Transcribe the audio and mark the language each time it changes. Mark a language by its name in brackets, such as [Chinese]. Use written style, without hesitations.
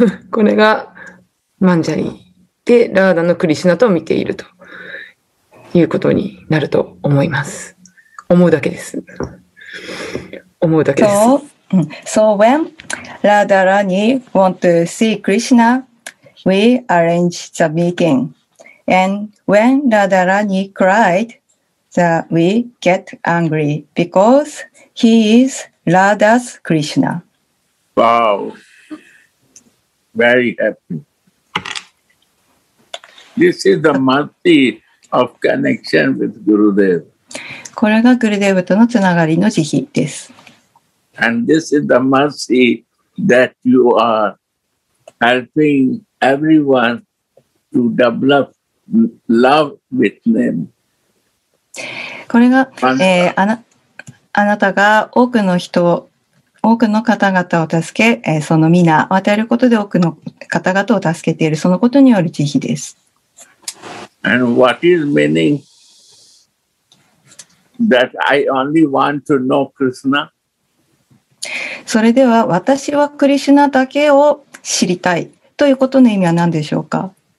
[Japanese] これがマンジャリでラーダのクリシナと見ているということになると思います。思うだけです。思うだけです。 [English] So when Radha Rani want to see Krishna, we arrange the meeting. And when Radha Rani cried, that we get angry because he is Radha's Krishna. Wow, very happy. This is the mercy of connection with Gurudev. [Japanese] これがグルデーブとのつながりの慈悲です。 [English] And this is the mercy that you are helping everyone to develop love with them. [Japanese] これが、あなたが多くの人を多くの方々を助け、そのミナを与えることで多くの方々を助けている、そのことによる慈悲です。 [English] And what is meaning that I only want to know Krishna? [Japanese] それでは私はクリシュナだけを知りたいということの意味は何でしょうか？